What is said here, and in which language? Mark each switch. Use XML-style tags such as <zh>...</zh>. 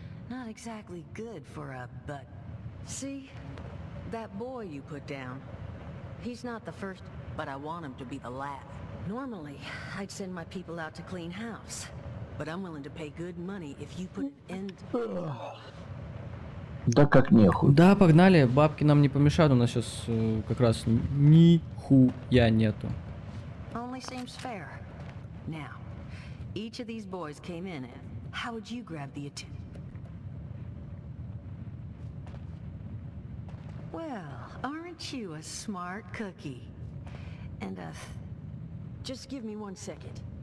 <en>Not exactly good for a butt. See? That boy you put down, he's not the first, but I want him to be the last. Normally, I'd send my people out to clean house, but I'm willing to pay good money if you put an end...</en> <ru>Да как нехуй. Да, погнали, бабки нам не помешают, у нас сейчас как раз нихуя нету.</ru> <en>Only seems fair. Now, each of these boys came in, and how would you grab the attention? Well, aren't you a smart cookie? And, just give me one second.</en>